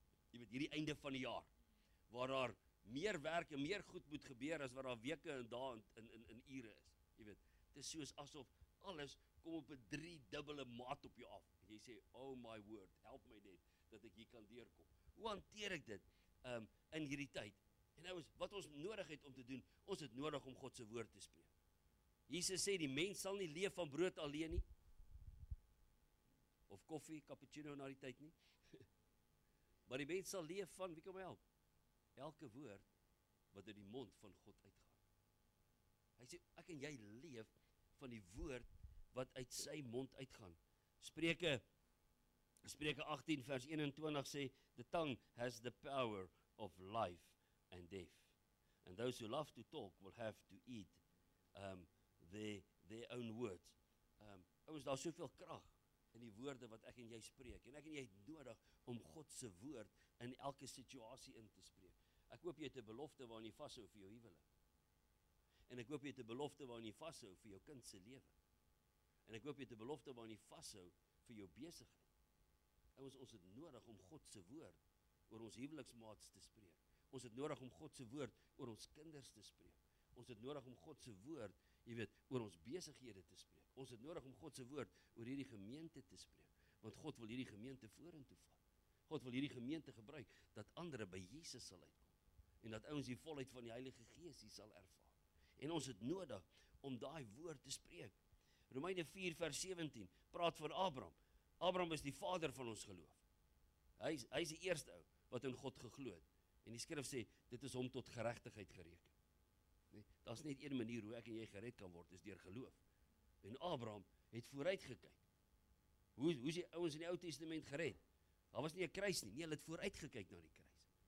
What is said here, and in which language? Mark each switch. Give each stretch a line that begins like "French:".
Afrikaans: Jy weet, hierdie einde van die jaar waar daar meer werk en meer goed moet gebeur as wat daar weke en dae in ure is. Jy weet, dit is soos asof alles kom op 'n 3-dubbele maat op jou af. En jy sê, oh my word, help my net, dat ek hier kan deurkom. Hoe hanteer ek dit in hierdie tyd? En nou is, wat ons nodig het om te doen, ons het nodig om God se woord te spreek. Jesus sê, die mens sal nie leef van brood alleen nie, of koffie, cappuccino na die tyd nie, maar die mens sal leef van, wie kan my help? Elke woord wat uit die mond van God uitgaan. Hy sê, ek en jy leef van die woord wat uit sy mond uitgaan. Spreuke 18 vers 21 sê,
English: the tongue has the power of life and death. And those who love to talk will have to eat their own words.
Afrikaans: Ons daar soveel krag in die woorde wat ek en jy spreek. En ek en jy het nodig om God se woord in elke situasie in te spreek. Ek hoop jy het 'n belofte waarin jy vashou vir jou huwelik. En ek hoop jy het 'n belofte waarin jy vashou vir jou kind se lewe. En ek hoop jy het 'n belofte waarin jy vashou vir jou besigheid. Ons het nodig om God se woord oor ons huweliksmaats te spreek. Ons het nodig om God se woord oor ons kinders te spreek. Ons het nodig om God se woord, jy weet, oor ons besighede te spreek. Ons het nodig om God se woord oor hierdie gemeente te spreek, want God wil hierdie gemeente vorentoe vat. God wil hierdie gemeente gebruik dat ander by Jesus sal uitkom en dat ouens die volheid van die Heilige Gees hier sal ervaar. En ons het nodig om daai woord te spreek. Romeine 4 vers 17 praat van Abraham. Abraham is die vader van ons geloof. Hy is die eerste ou wat in God geglo het. En die skrif sê, dit is hom tot geregtigheid gereken. Nee, daar is net een manier hoe ek en jy gered kan word, is deur geloof. En Abraham het vooruit gekyk. Hoe is die ouens in die Ou Testament gered? Daar was nie 'n kruis nie. Nee, hulle het vooruit gekyk na die kruis.